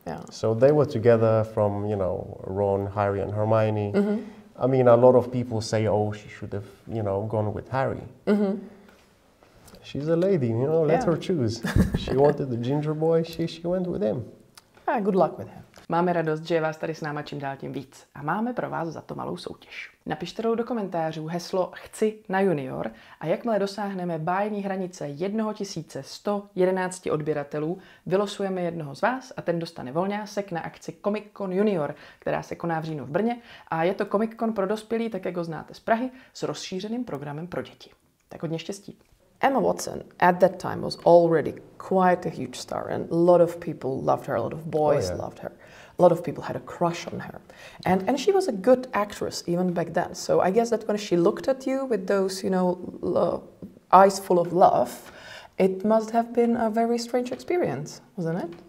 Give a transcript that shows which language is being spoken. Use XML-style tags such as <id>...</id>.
<en>So they were together from, you know, Ron, Harry and Hermione. I mean, a lot of people say, oh, she should have, you know, gone with Harry. She's a lady, you know, let her choose. She wanted the ginger boy, she went with him. Yeah, good luck with him.</en> <cs>Máme radost, že je vás tady s náma čím dál tím víc. A máme pro vás za to malou soutěž. Napište do komentářů heslo Chci na junior a jakmile dosáhneme bájní hranice 1111 odběratelů, vylosujeme jednoho z vás a ten dostane volňásek na akci Comic-Con Junior, která se koná v říjnu v Brně. A je to Comic-Con pro dospělí, tak jak ho znáte z Prahy, s rozšířeným programem pro děti. Tak hodně štěstí.</cs> <en>Emma Watson, at that time, was already quite a huge star, and a lot of people loved her, a lot of boys loved her. A lot of people had a crush on her. And she was a good actress, even back then. So I guess that when she looked at you with those, you know, eyes full of love, it must have been a very strange experience, wasn't it?</en>